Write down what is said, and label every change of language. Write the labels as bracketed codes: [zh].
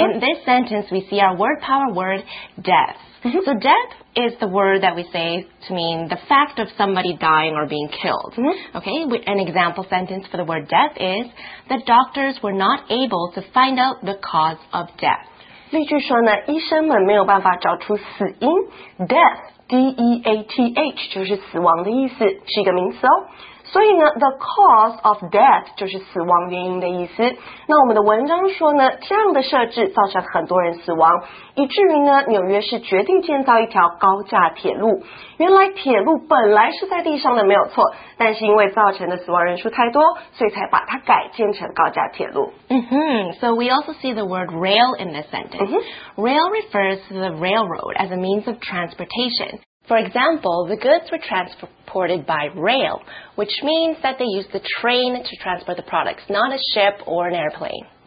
[en] In this sentence, we see our word power word, death. Mm-hmm. So death is the word that we say to mean the fact of somebody dying or being killed. Mm-hmm. Okay, an example sentence for the word death is, the doctors were not able to find out the cause of death. [zh] 例句说呢，医生们没有办法找出死因。 Death, D-E-A-T-H, 就是死亡的意思，是一个名词哦。所以呢 [en] the cause of death [zh] 就是死亡原因的意思。那我们的文章说呢，这样的设置造成很多人死亡，以至于呢，纽约市决定建造一条高架铁路。原来铁路本来是在地上的，没有错，但是因为造成的死亡人数太多，所以才把它改建成高架铁路。 Mm-hmm. [en] So we also see the word rail in this sentence. Mm-hmm. Rail refers to the railroad as a means of transportation. For example, the goods were transported by rail, which means that they used the train to transport the products, not a ship or an airplane.